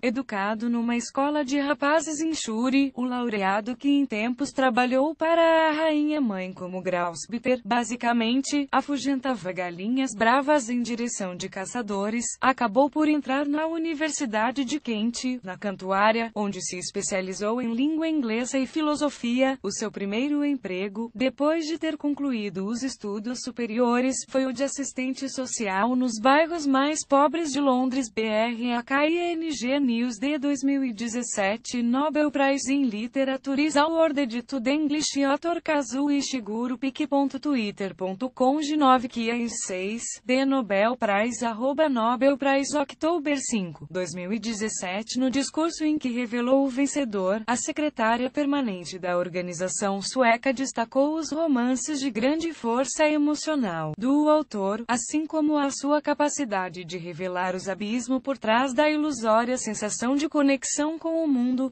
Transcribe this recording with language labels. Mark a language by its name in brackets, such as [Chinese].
[Portuguese] Educado numa escola de rapazes em Shuri, o laureado, que em tempos trabalhou para a rainha mãe como grausbiter, basicamente, afugentava galinhas bravas em direção de caçadores, acabou por entrar na Universidade de Kent, na Cantuária, onde se especializou em língua inglesa e filosofia. O seu primeiro emprego, depois de ter concluído os estudos superiores, foi o de assistente social nos bairros mais pobres de Londres. [English] BRKING News de 2017. Nobel Prize in Literature is awarded to the English author Kazuo Ishiguro. pic.twitter.com/9kiais6. The Nobel Prize @Nobel Prize October 5, 2017. [Portuguese] No discurso em que revelou o vencedor, a secretária permanente da organização sueca destacou os romances de grande força emocional do autor, assim como a sua capacidade de revelar os abismos por trás da ilusória sensação de conexão com o mundo.